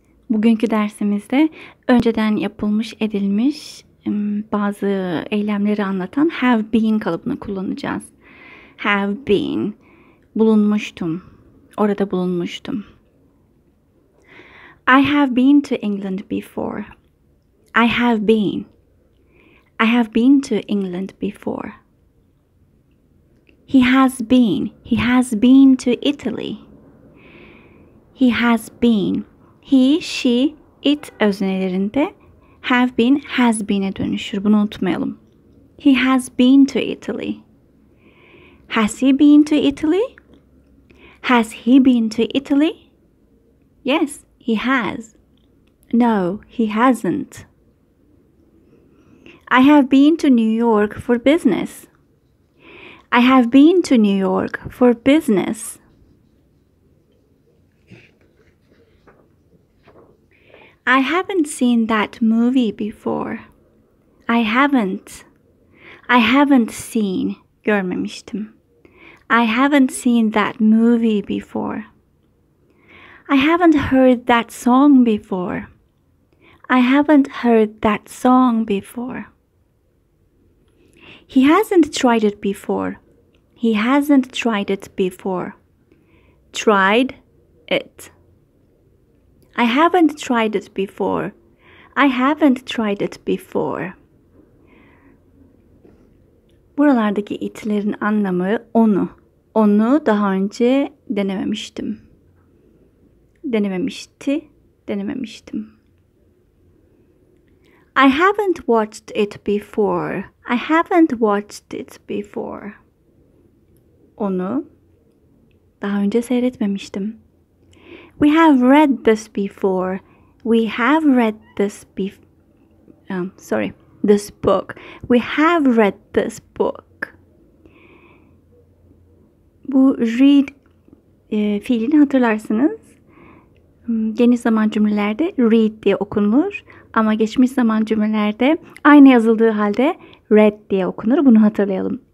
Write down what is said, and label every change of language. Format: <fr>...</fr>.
<tr>Bugünkü dersimizde önceden yapılmış edilmiş bazı eylemleri anlatan have been kalıbını kullanacağız. Have been, bulunmuştum, orada bulunmuştum.</tr> <en>I have been to England before. I have been. I have been to England before. He has been. He has been to Italy. He has been.</en> <tr>He, she, it öznelerinde have been, has been'e dönüşür. Bunu unutmayalım.</tr> <en>He has been to Italy. Has he been to Italy? Has he been to Italy? Yes, he has. No, he hasn't. I have been to New York for business. I have been to New York for business. I haven't seen that movie before. I haven't. I haven't seen</en> <tr>görmemiştim.</tr> <en>I haven't seen that movie before. I haven't heard that song before. I haven't heard that song before. He hasn't tried it before. He hasn't tried it before. Tried it. I haven't tried it before. I haven't tried it before.</en> <tr>Buralardaki itlerin anlamı onu. Onu daha önce denememiştim. Denememişti, denememiştim.</tr> <en>I haven't watched it before. I haven't watched it before.</en> <tr>Onu daha önce seyretmemiştim.</tr> <en>We have read this before. We have read this this book. We have read this book.</en> <tr>Bu read fiilini hatırlarsınız. Geniş zaman cümlelerde read diye okunur. Ama geçmiş zaman cümlelerde aynı yazıldığı halde read diye okunur. Bunu hatırlayalım.</tr>